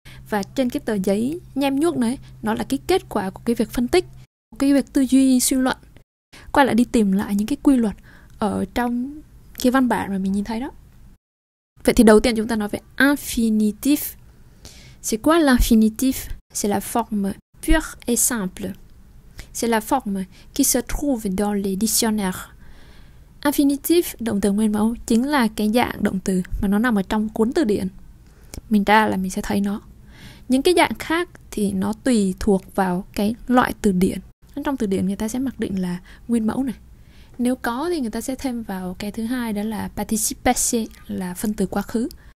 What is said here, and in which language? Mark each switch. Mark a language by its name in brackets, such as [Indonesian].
[Vietnamese] Và trên cái tờ giấy nhem nhuốc đấy, nó là cái kết quả của cái việc phân tích, cái việc tư duy suy luận, quay lại đi tìm lại những cái quy luật ở trong cái văn bản mà mình nhìn thấy đó. Vậy thì đầu tiên chúng ta nói về infinitif. [French] C'est quoi l'infinitif? C'est la forme pure et simple. C'est la forme qui se trouve dans les dictionnaires. [Vietnamese] Infinitif, động từ nguyên mẫu, chính là cái dạng động từ mà nó nằm ở trong cuốn từ điển. Mình ra là mình sẽ thấy nó. Những cái dạng khác thì nó tùy thuộc vào cái loại từ điển. Trong từ điển người ta sẽ mặc định là nguyên mẫu này. Nếu có thì người ta sẽ thêm vào cái thứ hai, đó là participe passé, là phân từ quá khứ.